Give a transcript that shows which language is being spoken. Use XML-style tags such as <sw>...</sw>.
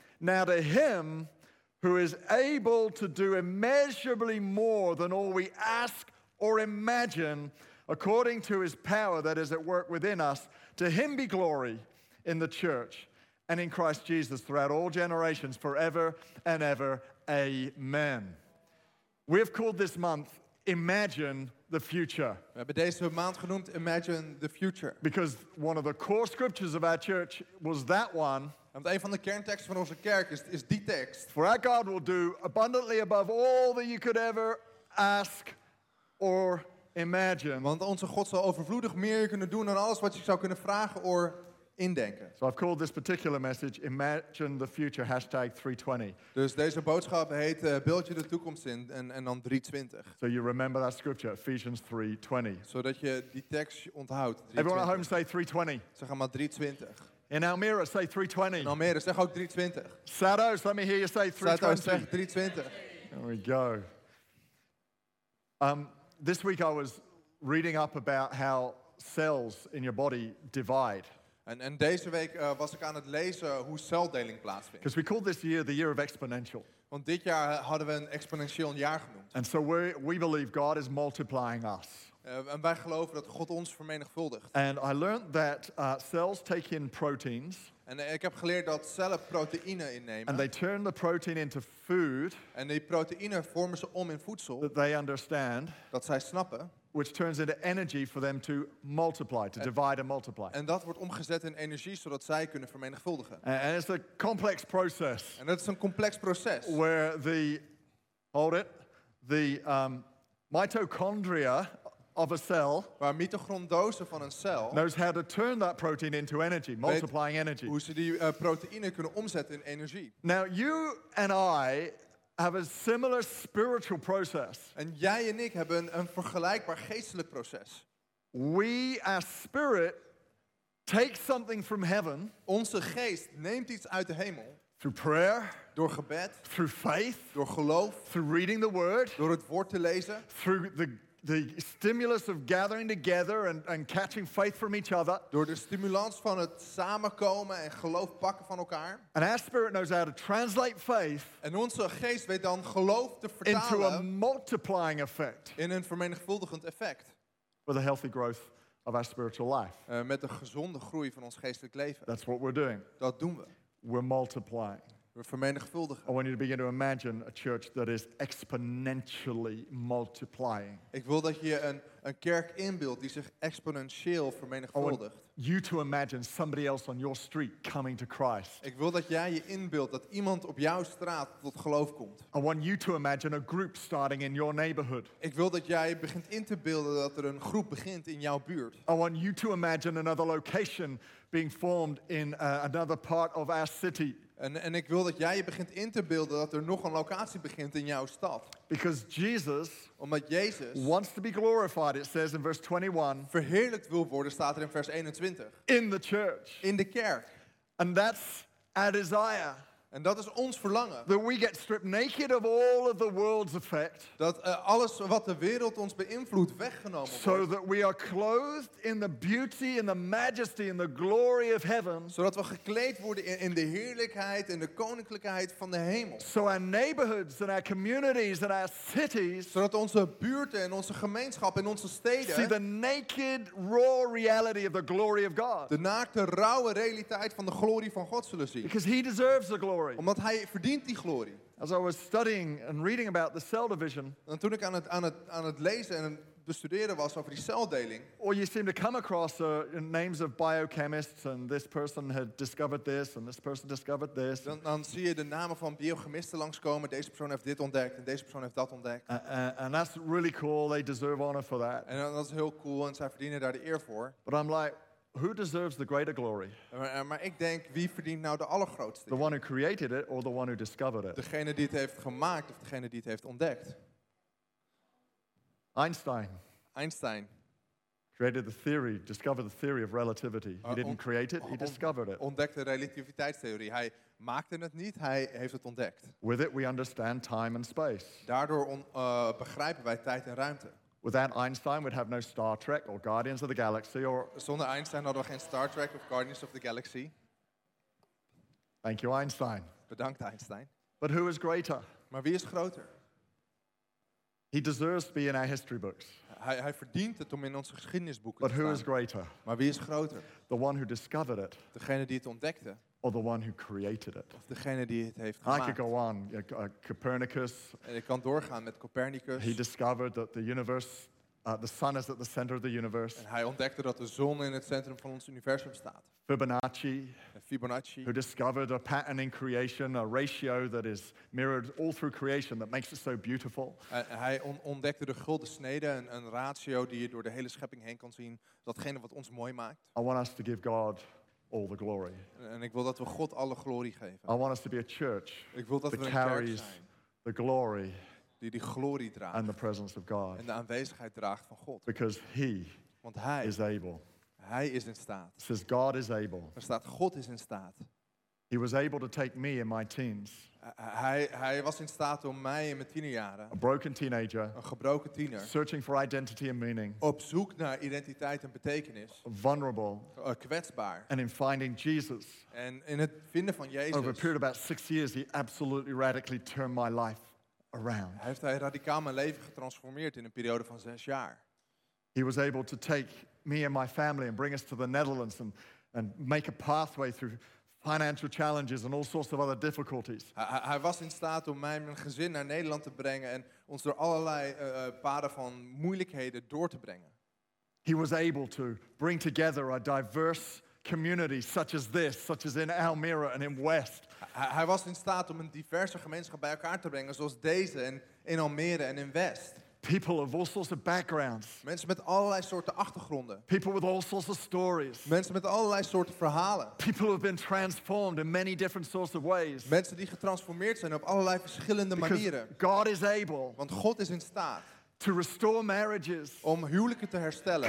<en>Now to Him who is able to do immeasurably more than all we ask or imagine, according to His power that is at work within us, to Him be glory in the church and in Christ Jesus throughout all generations, forever and ever. Amen. We have called this month Imagine the Future.</en> <nl>We hebben deze maand genoemd Imagine the Future.</nl> <en>Because one of the core scriptures of our church was that one.</en> <nl>Want een van de kernteksten van onze kerk is die tekst.</nl> <en>For our God will do abundantly above all that you could ever ask or imagine.</en> <nl>Want onze God zal overvloedig meer kunnen doen dan alles wat je zou kunnen vragen of indenken.</nl> <en>So I've called this particular message Imagine the Future, hashtag 320.</en> <nl>Dus deze boodschap heet Beeld je de toekomst in en dan 320.</nl> <en>So you remember that scripture, Ephesians 3:20.</en> <nl>Zodat je die tekst onthoudt.</nl> <en>Everyone at home say 320.</en> <nl>Zeg maar 320.</nl> <en>In Almere, say 320.</en> <nl>In Almere, zeg ook 320.</nl> <en>Sados, let me hear you say 320.</en> <nl>Sados, zeg 320.</nl> <en>There we go. This week I was reading up about how cells in your body divide.</en> <nl>En deze week was ik aan het lezen hoe celdeling plaatsvindt.</nl> <en>Because we call this year the year of exponential.</en> <nl>Want dit jaar hadden we een exponentieel jaar genoemd.</nl> <en>And so we believe God is multiplying us.</en> <nl>En wij geloven dat God ons vermenigvuldigt.</nl> <en>And I learned that cells take in proteins.</en> <nl>En ik heb geleerd dat cellen proteïne innemen.</nl> <en>And they turn the protein into food.</en> <nl>En die proteïne vormen ze om in voedsel.</nl> <en>That they understand.</en> <nl>Dat zij snappen.</nl> <en>Which turns into energy for them to multiply, to divide and multiply.</en> <nl>En dat wordt omgezet in energie zodat zij kunnen vermenigvuldigen.</nl> <en>And it's a complex process.</en> <nl>En dat is een complex proces.</nl> <en>Where the, hold it, the mitochondria of a cell,</en> <nl>waar mitochondriose van een cel,</nl> <en>knows how to turn that protein into energy, multiplying energy.</en> <nl>Hoe ze die proteïne kunnen omzetten in energie.</nl> <en>Now you and I have a similar spiritual process.</en> <nl>En jij en ik hebben een vergelijkbaar geestelijk proces.</nl> <en>We as spirit take something from heaven.</en> <nl>Onze geest neemt iets uit de hemel.</nl> <en>Through prayer.</en> <nl>Door gebed.</nl> <en>Through faith.</en> <nl>Door geloof.</nl> <en>Through reading the word.</en> <nl>Door het woord te lezen.</nl> <en>Through the stimulus of gathering together and catching faith from each other.</en> <nl>Door de stimulans van het samenkomen en geloof pakken van elkaar.</nl> <en>And our spirit knows how to translate faith.</en> <nl>En onze geest weet dan geloof te vertalen.</nl> <en>Into a multiplying effect.</en> <nl>In een vermenigvuldigend effect.</nl> <en>For the healthy growth of our spiritual life.</en> <nl>Met de gezonde groei van ons geestelijk leven.</nl> <en>That's what we're doing.</en> <nl>Dat doen we.</nl> <en>We're multiplying.</en> <nl>We vermenigvuldigen.</nl> <en>I want you to begin to imagine a church that is exponentially multiplying.</en> <nl>Ik wil dat je een kerk inbeeldt die zich exponentieel vermenigvuldigt.</nl> <en>I want you to imagine somebody else on your street coming to Christ.</en> <nl>Ik wil dat jij je inbeeldt dat iemand op jouw straat tot geloof komt.</nl> <en>I want you to imagine a group starting in your neighborhood.</en> <nl>Ik wil dat jij begint in te beelden dat er een groep begint in jouw buurt.</nl> <en>I want you to imagine another location being formed in another part of our city.</en> <nl>En ik wil dat jij je begint in te beelden dat er nog een locatie begint in jouw stad.</nl> <en>Because Jesus,</en> <nl>omdat Jezus,</nl> <en>wants to be glorified, it says in verse 21.</en> <nl>Verheerlijkt wil worden, staat er in vers 21.</nl> <en>In the church.</en> <nl>In de kerk.</nl> <en>And that's our desire.</en> <nl>En dat is ons verlangen.</nl> <en>That we get stripped naked of all of the world's effect.</en> <nl>Dat alles wat de wereld ons beïnvloedt weggenomen wordt.</nl> <en>So that we are clothed in the beauty and the majesty and the glory of heaven.</en> <nl>Zodat we gekleed worden in de heerlijkheid en de koninklijkheid van de hemel.</nl> <en>So our neighborhoods and our communities and our cities.</en> <nl>Zodat onze buurten en onze gemeenschappen en onze steden.</nl> <en>See the naked raw reality of the glory of God.</en> <nl>De naakte rauwe realiteit van de glorie van God zullen zien.</nl> <en>Because He deserves the glory.</en> <nl>Omdat hij verdient die glorie.</nl> <en>As I was studying and reading about the cell division,</en> <nl>en toen ik aan het lezen en bestuderen was over die celdeling.</nl> <en>Or you seem to come across names of biochemists and this person had discovered this and this person discovered this.</en> <nl>Dan zie je de namen van biochemisten langskomen. Deze persoon heeft dit ontdekt en deze persoon heeft dat ontdekt.</nl> <en>And that's really cool. They deserve honor for that.</en> <nl>En dat is heel cool en zij verdienen daar de eer voor.</nl> <en>But I'm like, who deserves the greater glory?</en> <nl>Maar ik denk, wie verdient nou de allergrootste?</nl> <en>The one who created it or the one who discovered it?</en> <nl>Degene die het heeft gemaakt of degene die het heeft ontdekt.</nl> <en>Einstein created the theory, discovered the theory of relativity. He didn't create it, he discovered it.</en> <nl>Ontdekte relativiteitstheorie. Hij maakte het niet, hij heeft het ontdekt.</nl> <en>With it we understand time and space.</en> <nl>Daardoor begrijpen wij tijd en ruimte.</nl> <en>Without Einstein we'd have no Star Trek or Guardians of the Galaxy or</en> <nl>zonder Einstein hadden we geen Star Trek of Guardians of the Galaxy.</nl> <en>Thank you Einstein.</en> <nl>Bedankt Einstein.</nl> <en>But who is greater?</en> <nl>Maar wie is groter?</nl> <en>He deserves to be in our history books.</en> <nl>Hij verdient het om in onze geschiedenisboeken</nl> <en>but</en> <nl>te staan.</nl> <en>Who is greater?</en> <nl>Maar wie is groter?</nl> <en>The one who discovered it.</en> <nl>Degene die het ontdekte.</nl> <en>Or the one who created it.</en> <nl>Of degene die het heeft gemaakt.</nl> <en>I could go on. Copernicus.</en> <nl>En ik kan doorgaan met Copernicus.</nl> <en>He discovered that the universe, the sun is at the center of the universe.</en> <nl>En hij ontdekte dat de zon in het centrum van ons universum staat.</nl> <en>Fibonacci. Who discovered a pattern in creation, a ratio that is mirrored all through creation that makes it so beautiful.</en> <nl>Hij ontdekte de gulden snede, een ratio die je door de hele schepping heen kan zien, datgene wat ons mooi maakt.</nl> <en>I want us to give God all the glory.</en> <nl>En ik wil dat we God alle glorie geven.</nl> <en>I want us to be a church.</en> <nl>Ik wil dat we een kerk zijn.</nl> <en>The glory.</en> <nl>Die glorie draagt.</nl> <en>And the presence of God.</en> <nl>En de aanwezigheid draagt van God.</nl> <en>Because He.</en> <nl>Want Hij</nl> <en>is able.</en> <nl>Hij is in staat.</nl> <en>It says God is able.</en> <nl>Er staat God is in staat.</nl> <en>He was able to take me in my teens.</en> <nl>Hij was in staat om mij in mijn tienerjaren.</nl> <en>A broken teenager.</en> <nl>Een gebroken tiener.</nl> <en>Searching for identity and meaning.</en> <nl>Op zoek naar identiteit en betekenis.</nl> <en>Vulnerable.</en> <nl>Kwetsbaar.</nl> <en>And in finding Jesus.</en> <nl>En in het vinden van Jezus.</nl> <en>Over a period of about 6 years, he absolutely radically turned my life around.</en> <nl>Heeft hij radicaal mijn leven getransformeerd in een periode van 6 jaar.</nl> <en>He was able to take me and my family and bring us to the Netherlands and make a pathway through financial challenges and all sorts of other difficulties.</en> <nl>Hij was in staat om mij en mijn gezin naar Nederland te brengen en ons door allerlei paden van moeilijkheden door te brengen.</nl> <en>He was able to bring together a diverse community such as this, such as in Almere and in West.</en> <nl>Hij was in staat om een diverse gemeenschap bij elkaar te brengen zoals deze in Almere en in West.</nl> <en>People of all sorts of backgrounds.</en> <nl>Mensen met allerlei soorten achtergronden.</nl> <en>People with all sorts of stories.</en> <nl>Mensen met allerlei soorten verhalen.</nl> <en>People who have been transformed in many different sorts of ways.</en> <nl>Mensen die getransformeerd zijn op allerlei verschillende manieren.</nl> <en>Because God is able.</en> <nl>Want God is in staat.</nl> <en>To restore marriages.</en> <nl>Om huwelijken te herstellen.</nl>